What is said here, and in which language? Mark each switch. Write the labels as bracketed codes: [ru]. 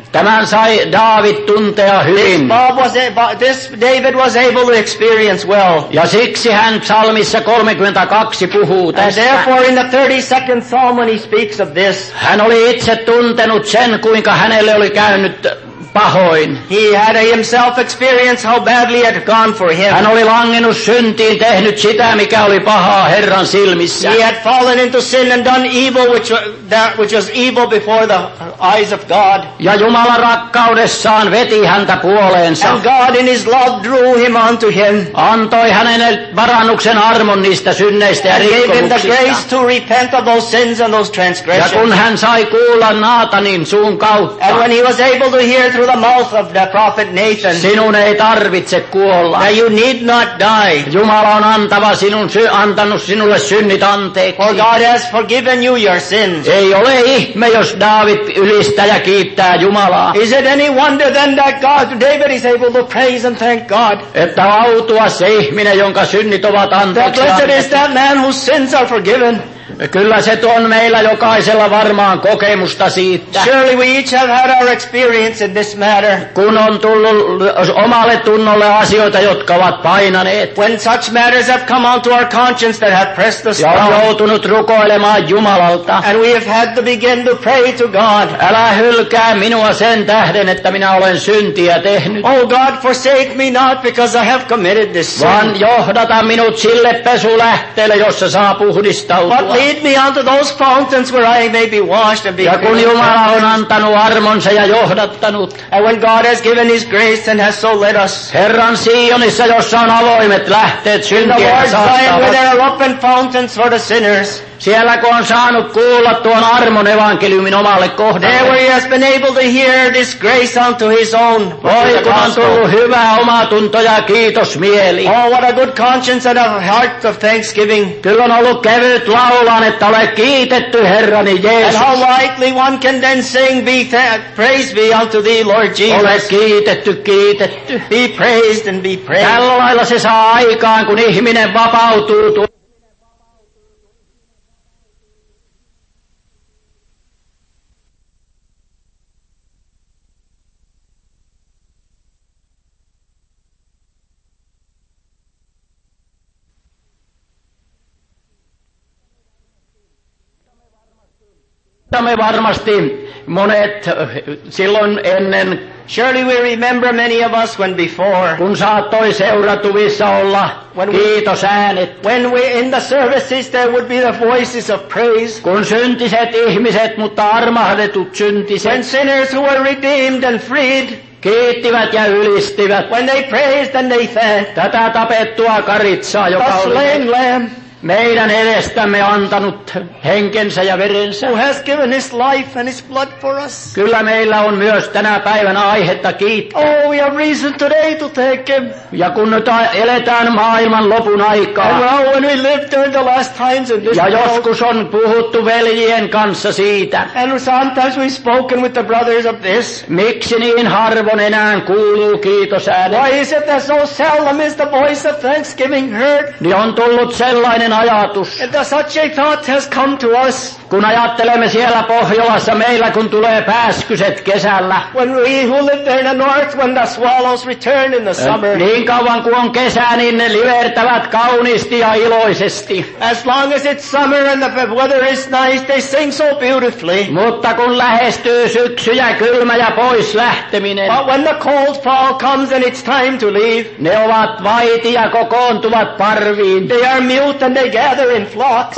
[fi] Tämän sai David tuntea hyvin. [en] This David was able to experience well. [fi] Ja siksi hän psalmissa 32 puhuu tästä. [en] And therefore in the 32nd psalm when he speaks of this. [fi] Hän oli itse tuntenut sen, kuinka hänelle oli käynyt pahoin. [en] He had himself experienced how badly it had gone for him. [fi] Hän oli langennut syntiin, tehnyt sitä, mikä oli pahaa Herran silmissä. [en] He had fallen into sin and done evil, which was evil before the eyes of God. [fi] Ja Jumala rakkaudessaan veti häntä puoleensa. [en] And God in his love drew him unto him. [fi] Antoi hänelle varannuksen armon niistä synneistä ja rikkomuksista. [en] Gave him the grace to repent of those sins and those transgressions. [fi] Ja kun hän sai kuulla Naatanin suun kautta. [en] And when he was able to hear through the mouth of the prophet Nathan. [fi] Sinun ei tarvitse kuolla. [en] Now you need not die. [fi] Jumala on antava sinun antanut sinulle synnit anteeksi. [en] For God has forgiven you your sins. [fi] Ei ole ihme, jos David ylistää ja kiittää Jumalaa. [en] Is it any wonder then that God, David is able to praise and thank God? [fi] Että autua se ihminen, jonka synnit ovat anteeksi. [en] That blessed is that man whose sins are forgiven. [fi] Kyllä se on meillä jokaisella varmaan kokemusta siitä. [en] Surely we each have had our experience in this matter. [fi] Kun on tullut omalle tunnolle asioita, jotka ovat painaneet. [en] When such matters have come onto our conscience that have pressed us down. [fi] Ja on joutunut rukoilemaan Jumalalta. [en] And we have had to begin to pray to God. [fi] Älä hylkää minua sen tähden, että minä olen syntiä tehnyt. [en] Oh God, forsake me not because I have committed this sin. [fi] Vaan johdata minut sille pesulähteelle, jossa saa puhdistautua. [en] But lead me unto those fountains where I may be washed and be [fi] ja kun Jumala on antanut armonsa ja johdattanut. [en] And when God has given his grace and has so led us. [fi] Herran Sionissa, jossa on avoimet lähteet syntiä saastavat. [en] There are open fountains for the sinners. [fi] Siellä kun on saanut kuulla tuon armon evankeliumin omalle kohdalle. [en] There he has been able to hear this grace unto his own. [fi] Voi kun on tullut hyvää omatunto ja kiitos mieli. [en] Oh, what a good conscience and a heart of thanksgiving. [fi] Kyllä on ollut kevyt laulaan, että ole kiitetty Herrani Jeesus. [en] And how lightly one can then sing, be praise be unto thee, Lord Jesus. [fi] Ole kiitetty, kiitetty. [en] Be praised and be praised. [fi] Tällä lailla se saa aikaan, kun ihminen vapautuu tuon. Me varmasti monet silloin ennen. [en] Surely we remember many of us when before. [fi] Kun saattoi seuratuvissa olla kiitosäänet. [en] When we in the services there would be the voices of praise. [fi] Kun syntiset ihmiset, mutta armahdetut syntiset. [en] When sinners who were redeemed and freed. [fi] Kiittivät ja ylistivät. [en] When they praised and they thanked. [fi] Tätä tapettua karitsaa, joka oli meidän edestämme antanut henkensä ja verensä. [en] Who has given his life and his blood for us. [fi] Kyllä meillä on myös tänä päivänä aihetta kiittää. [en] Oh, we have reason today to thank him. [fi] Ja kun nyt eletään maailman lopun aikaa. [en] And now when we live during the last times in this [fi] ja joskus on puhuttu veljien kanssa siitä. [en] And sometimes we've spoken with the brothers of this. [fi] Miksi niin harvoin enää kuuluu kiitos äänen? [en] Why is it that so seldom is the voice of thanksgiving heard? [fi] Niin on tullut sellainen. [en] Että such a thought has come to us. [fi] Kun ajattelemme siellä Pohjolassa meillä, kun tulee pääskyset kesällä. [en] When we who live there in the north, when the swallows return in the summer. [fi] Niin kauan kuin on kesä, niin ne livertävät kauniisti ja iloisesti. [en] As long as it's summer and the weather is nice, they sing so beautifully. [fi] Mutta kun lähestyy syksy ja kylmä ja pois lähteminen. [en] But when the cold fall comes and it's time to leave. [fi] Ne ovat vaiti ja kokoontuvat parviin. [en] They are mute and they gather in flocks.